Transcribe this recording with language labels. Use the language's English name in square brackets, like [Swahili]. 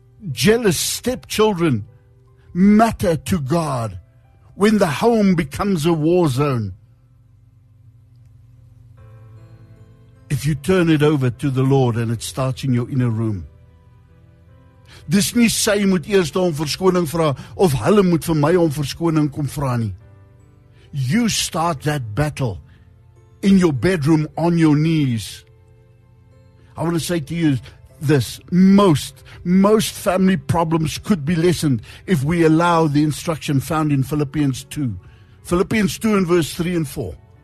[English] Jealous stepchildren matter to God when the home becomes a war zone. If you turn it over to the Lord and it starts in your inner room. [Afrikaans] Dis nie sy moet eers om verskoning vra of hulle moet vir my om verskoning kom vra nie. [English] You start that battle in your bedroom on your knees. I want to say to you this, most family problems could be lessened if we allow the instruction found in Philippians 2. Philippians 2 and verse 3 and 4.